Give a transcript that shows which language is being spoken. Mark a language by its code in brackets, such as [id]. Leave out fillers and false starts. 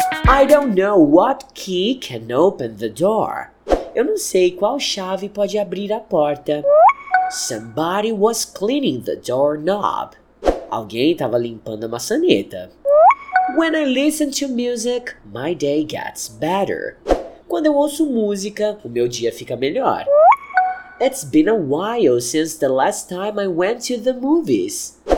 [en] I don't know what key can open the door. [pt] Eu não sei qual chave pode abrir a porta. [en] Somebody was cleaning the doorknob. [pt] Alguém estava limpando a maçaneta. [en] When I listen to music, my day gets better. [pt] Quando eu ouço música, o meu dia fica melhor. [en] It's been a while since the last time I went to the movies.